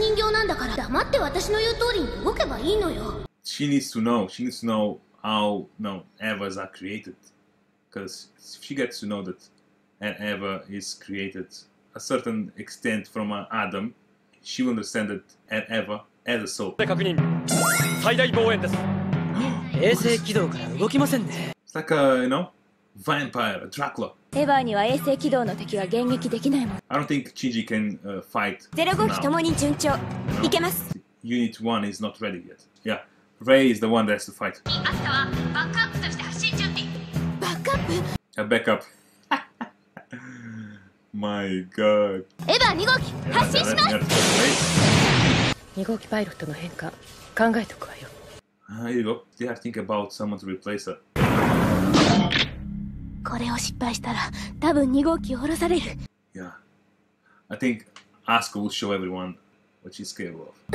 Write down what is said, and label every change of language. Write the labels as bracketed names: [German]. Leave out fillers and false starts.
[Japanese] やっと元に戻ったわね。あんな負け方したくせに。あなたは私の人形なんだから黙って私の言う通りに動けばいいのよ。 [English] She needs to know. She needs to know how Evas are created. Because if she gets to know that an Eva is created a certain extent from an Adam, she will understand that an Eva has a soul. [Japanese] 確認。最大防衛です。 [English] It's like a, you know, vampire, a Dracula. [Japanese] エヴァには衛星軌道の敵は迎撃できないもの。 [English] I don't think Shinji can fight. [Japanese] ゼロ号機ともに順調。行けます。 [English] Unit 1 is not ready yet. Yeah, Rei is the one that has to fight. [Japanese] アスカはバックアップとして発進準備。バックアップ? [English] A backup. My god. [Japanese] エヴァ2号機、発進します! 2号機パイロットの変化、考えとくわよ。 [English] Here you go. They are thinking about someone to replace her. [Japanese] これを失敗したら、多分2号機を降ろされる。 [English] Yeah. I think Asuka will show everyone what she's capable of.